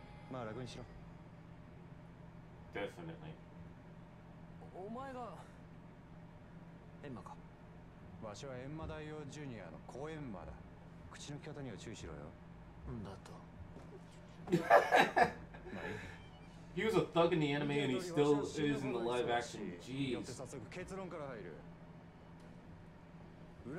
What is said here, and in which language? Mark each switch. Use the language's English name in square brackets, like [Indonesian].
[Japanese] まあ楽にしろ。 [English] Definitely. [Japanese] お前がエンマか。わしはエンマ大王ジュニアの子エンマだ。口の聞き方には注意しろよ。だと。 [English] He was a thug in the anime and he still is in the live action. Jeez. [Japanese] よって早速結論から入る。